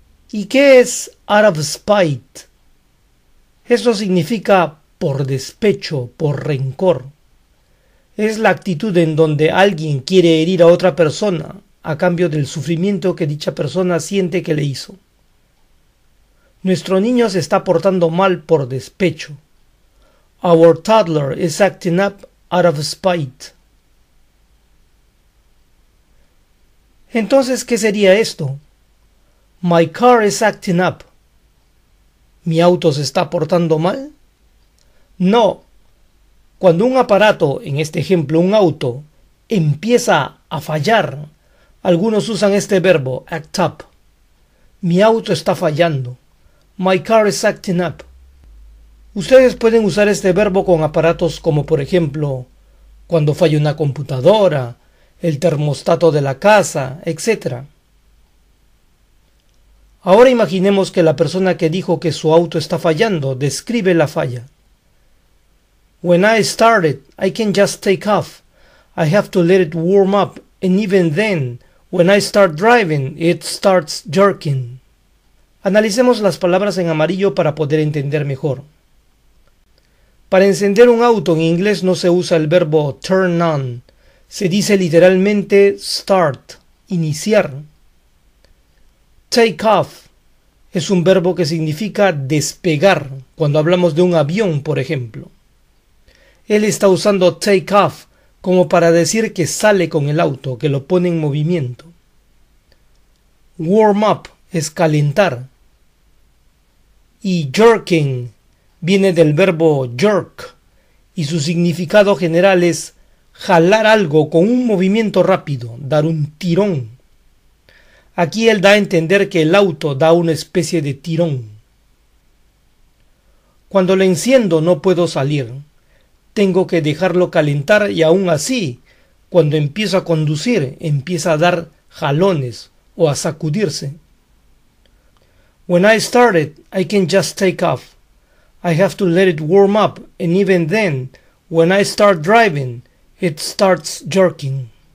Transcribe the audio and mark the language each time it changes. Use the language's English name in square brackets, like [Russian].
[Spanish] ¿Y qué es [English] out of spite? [Spanish] Eso significa por despecho, por rencor. Es la actitud en donde alguien quiere herir a otra persona a cambio del sufrimiento que dicha persona siente que le hizo. Nuestro niño se está portando mal por despecho. [English] Our toddler is acting up out of spite. [Spanish] Entonces, ¿qué sería esto? [English] My car is acting up. [Spanish] ¿Mi auto se está portando mal? No. Cuando un aparato, en este ejemplo un auto, empieza a fallar, algunos usan este verbo, act up. Mi auto está fallando. [English] My car is acting up. [Spanish] Ustedes pueden usar este verbo con aparatos como, por ejemplo, cuando falla una computadora, el termostato de la casa, etc. Ahora imaginemos que la persona que dijo que su auto está fallando describe la falla. [English] When I started, I can just take off. I have to let it warm up, and even then, when I start driving, it starts jerking. [Spanish] Analicemos las palabras en amarillo para poder entender mejor. Para encender un auto en inglés no se usa el verbo turn on, se dice literalmente start, iniciar. Take off es un verbo que significa despegar cuando hablamos de un avión, por ejemplo. Él está usando take off como para decir que sale con el auto, que lo pone en movimiento. Warm up es calentar. Y jerking viene del verbo jerk y su significado general es jalar algo con un movimiento rápido, dar un tirón. Aquí él da a entender que el auto da una especie de tirón. Cuando lo enciendo no puedo salir. Tengo que dejarlo calentar y aún así, cuando empiezo a conducir, empieza a dar jalones o a sacudirse. [English] When I started, I can just take off. I have to let it warm up, and even then, when I start driving, it starts jerking.